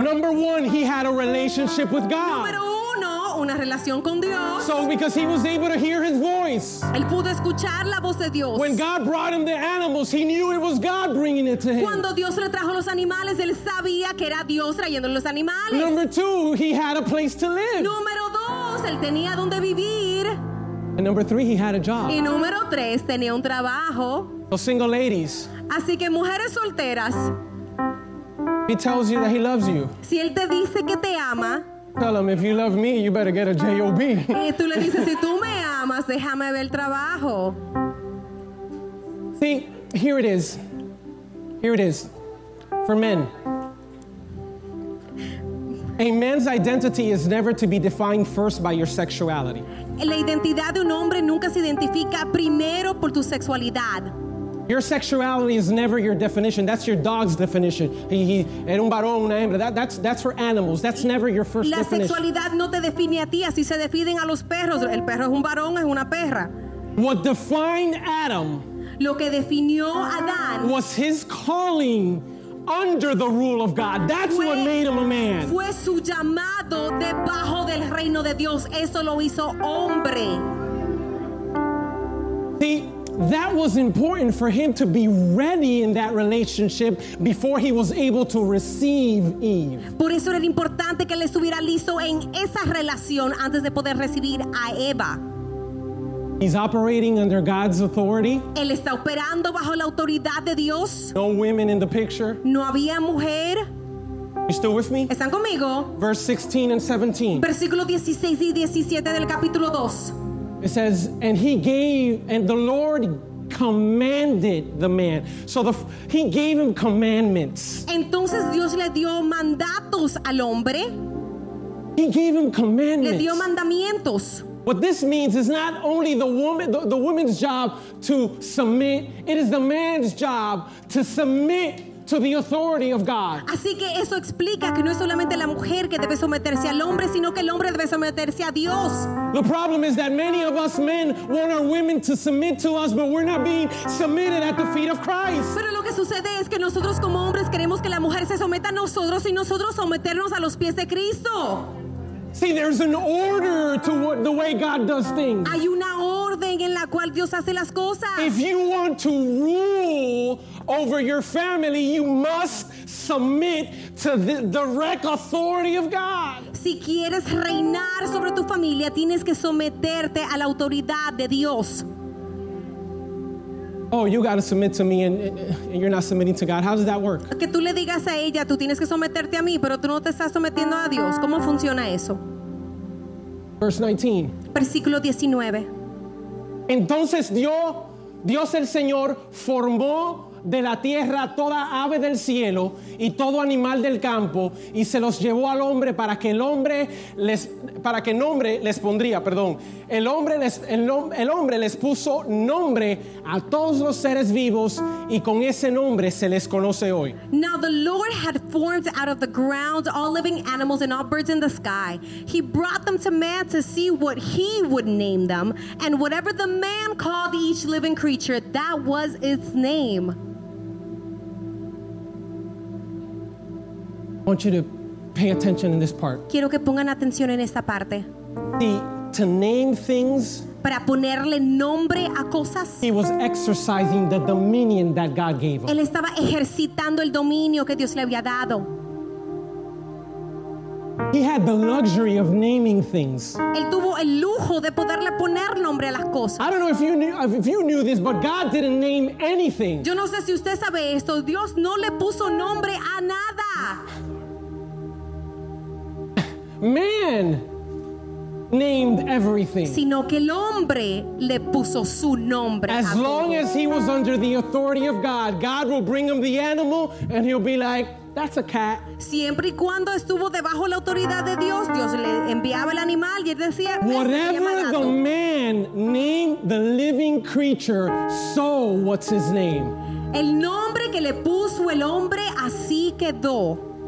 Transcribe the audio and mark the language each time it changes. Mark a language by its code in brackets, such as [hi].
[en] Number one, he had a relationship with God. [es] Número uno, una relación con Dios. [en] So because he was able to hear his voice. [es] Él pudo escuchar la voz de Dios. [en] When God brought him the animals, he knew it was God bringing it to him. [es] Cuando Dios le trajo los animales, él sabía que era Dios trayendo los animales. [en] Number two, he had a place to live. [es] Número dos, él tenía donde vivir. [en] And number three, he had a job. [es] Y número tres, tenía un trabajo. [en] So single ladies. [es] Así que mujeres solteras. [en] He tells you that he loves you. [es] Si él te dice que te ama. [en] Tell him if you love me, you better get a job. [es] Y tú le dices, si tú me amas, déjame ver trabajo. [en] See, here it is. Here it is. For men. A man's identity is never to be defined first by your sexuality. [es] La identidad de un hombre nunca se identifica primero por tu sexualidad. [en] Your sexuality is never your definition. That's your dog's definition. He [es] era un varón, una hembra. [en] That's for animals. That's never your first definition. [es] La sexualidad no te define a ti. Así se definen a los perros. El perro es un varón, es una perra. [en] What defined Adam? [es] Lo que definió Adán [en] was his calling. Under the rule of God. That's what made him a man. [es] Fue su llamado debajo del reino de Dios. Eso lo hizo hombre. [en] See, that was important for him to be ready in that relationship before he was able to receive Eve. [es] Por eso era importante que él estuviera listo en esa relación antes de poder recibir a Eva. [en] He's operating under God's authority. [es] Él está operando bajo la autoridad de Dios. [en] No women in the picture. [es] No había mujer. [en] You still with me? [es] ¿Están conmigo? [en] Verse 16 and 17. [es] Versículo 16 y 17 del capítulo 2. [en] It says, and he gave, and the Lord commanded the man. So he gave him commandments. [es] Entonces Dios le dio mandatos al hombre. [en] He gave him commandments. [es] Le dio mandamientos. [en] What this means is not only the woman's job to submit, it is the man's job to submit to the authority of God. [es] Así que eso explica que no es solamente la mujer que debe someterse al hombre, sino que el hombre debe someterse a Dios. [en] The problem is that many of us men want our women to submit to us, but we're not being submitted at the feet of Christ. [es] Pero lo que sucede es que nosotros como hombres queremos que la mujer se someta a nosotros y nosotros someternos a los pies de Cristo. [en] See, there's an order to what the way God does things. [es] Hay una orden en la cual Dios hace las cosas. [en] If you want to rule over your family, you must submit to the direct authority of God. [es] Si quieres reinar sobre tu familia, tienes que someterte a la autoridad de Dios. [en] Oh, you got to submit to me and you're not submitting to God. How does that work? [es] Que tú le digas a ella, tú tienes que someterte a mí, pero tú no te estás sometiendo a Dios. ¿Cómo funciona eso? [en] Verse 19. [es] Versículo 19. Entonces Dios el Señor formó de la tierra toda ave del cielo y todo animal del campo y se los llevó al hombre para que el hombre les para que nombre les pondría, perdón. El hombre les puso nombre a todos los seres vivos y con ese nombre se les conoce hoy. [en] Now the Lord had formed out of the ground all living animals and all birds in the sky. He brought them to man to see what he would name them, and whatever the man called each living creature, that was its name. I want you to pay attention in this part. [es] Quiero que pongan atención en esta parte. [en] See, to name things. [es] Para ponerle nombre a cosas. [en] He was exercising the dominion that God gave him. [es] Él estaba ejercitando el dominio que Dios le había dado. [en] He had the luxury of naming things. [es] Él tuvo el lujo de poderle poner nombre a las cosas. [en] I don't know if you knew this, but God didn't name anything. [es] Yo no sé si usted sabe esto. Dios no le puso nombre a nada. [en] Man named everything. [es] Sino que el hombre le puso su nombre. [en] As long as he was under the authority of God, God will bring him the animal and he'll be like, that's a cat. [es] Siempre y cuando estuvo debajo la autoridad de Dios, Dios le enviaba el animal y él decía, [en] whatever the man named the living creature, so what's his name? [es] El nombre que le puso el hombre, así quedó.